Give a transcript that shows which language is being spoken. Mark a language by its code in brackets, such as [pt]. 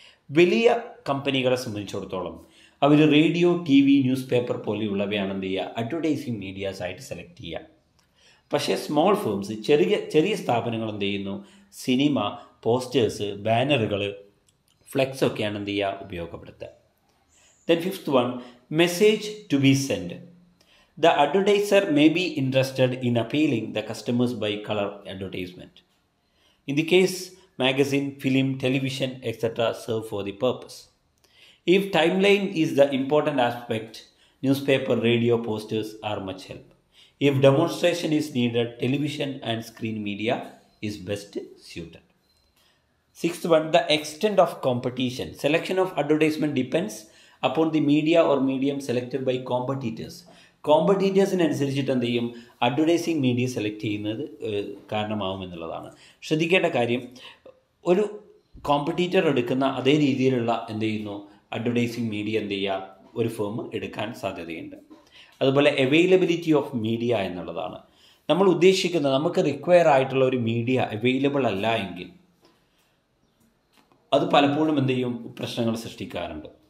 [ml] വലിയ കമ്പനികളെ സംബന്ധിച്ചിടത്തോളം അവർ radio, T V, news paper പോലെയുള്ളവയാണ് എന്ത് ചെയ്യുക, അഡ്വർടൈസിങ് മീഡിയാസ് ആയിട്ട് സെലക്ട് ചെയ്യുക. പക്ഷേ സ്മോൾ ഫേംസ്, ചെറിയ സ്ഥാപനങ്ങൾ എന്ത് ചെയ്യുന്നു, സിനിമ, പോസ്റ്റേഴ്സ്, ബാനറുകൾ, ഫ്ലെക്സ് ഒക്കെയാണ് എന്ത് ചെയ്യുക, ഉപയോഗപ്പെടുത്തുക. [en] Then fifth one, message to be send. The advertiser may be interested in appealing the customers by color advertisement. In the case, magazine, film, television, etc. serve for the purpose. If timeline is the important aspect, newspaper, radio, posters are much help. If demonstration is needed, television and screen media is best suited. Sixth one, the extent of competition. Selection of advertisement depends upon the media or medium selected by competitors. [ml] കോമ്പറ്റീറ്റേഴ്സിനനുസരിച്ചിട്ടെന്തെയും advertising media select ചെയ്യുന്നത് കാരണമാവും എന്നുള്ളതാണ്. ശ്രദ്ധിക്കേണ്ട കാര്യം, ഒരു competitor എടുക്കുന്ന അതേ രീതിയിലുള്ള എന്ത് ചെയ്യുന്നു അഡ്വർടൈസിങ് മീഡിയ എന്ത് ചെയ്യുക ഒരു ഫേം എടുക്കാൻ സാധ്യതയുണ്ട്. അതുപോലെ അവൈലബിലിറ്റി ഓഫ് മീഡിയ എന്നുള്ളതാണ്. നമ്മൾ ഉദ്ദേശിക്കുന്ന നമുക്ക് റിക്വയർ ആയിട്ടുള്ള ഒരു മീഡിയ അവൈലബിൾ അല്ല എങ്കിൽ അത് പലപ്പോഴും എന്ത് ചെയ്യും പ്രശ്നങ്ങൾ സൃഷ്ടിക്കാറുണ്ട്.